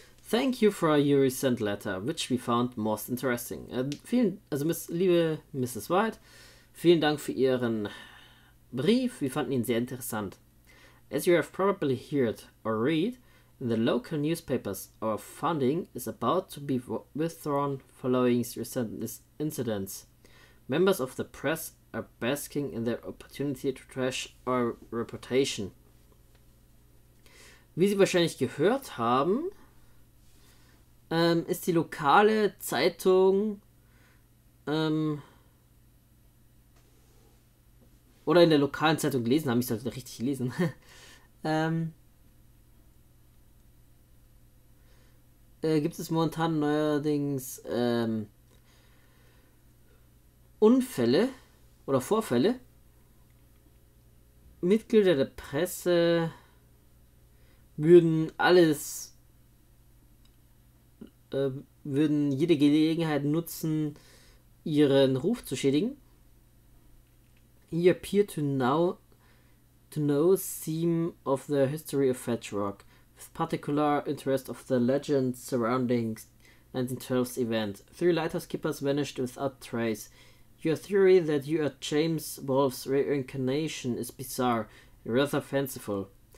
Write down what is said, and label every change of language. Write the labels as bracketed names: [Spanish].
[English] Thank you for your recent letter, which we found most interesting. [German] Liebe Mrs. White, vielen Dank für Ihren Brief, wir fanden ihn sehr interessant. [English] As you have probably heard or read in the local newspapers, our funding is about to be withdrawn following recent incidents. Members of the press are basking in the opportunity to trash our reputation. [German] Wie Sie wahrscheinlich gehört haben, ist die lokale Zeitung oder in der lokalen Zeitung gelesen habe, ich sollte richtig lesen. gibt es momentan neuerdings Unfälle oder Vorfälle? Mitglieder der Presse würden alles, würden jede Gelegenheit nutzen, ihren Ruf zu schädigen. [English] He appear to know theme of the history of Fetch Rock, with particular interest of the legend surrounding 1912's event. Three lighthouse keepers vanished without trace. Your theory that you are James Wolfe's reincarnation is bizarre, rather fanciful.